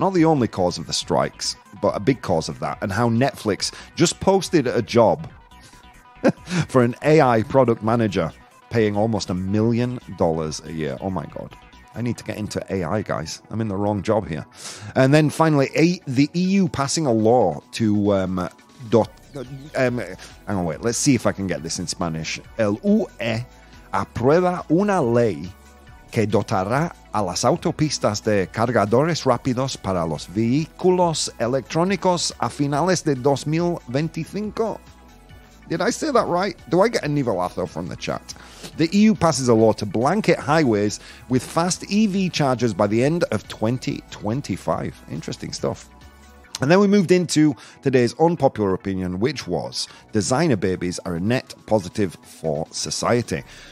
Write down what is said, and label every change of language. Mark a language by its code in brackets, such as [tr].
[en] Not the only cause of the strikes, but a big cause of that. And how Netflix just posted a job for an AI product manager paying almost $1 million a year. Oh my God. I need to get into AI, guys. I'm in the wrong job here. And then finally, the EU passing a law to... hang on, wait. Let's see if I can get this in Spanish. [es] El UE aprueba una ley que dotará a las autopistas de cargadores rápidos para los vehículos electrónicos a finales de 2025. [en] Did I say that right? Do I get a nivelazo from the chat? The EU passes a law to blanket highways with fast EV chargers by the end of 2025. Interesting stuff. And then we moved into today's unpopular opinion, which was designer babies are a net positive for society.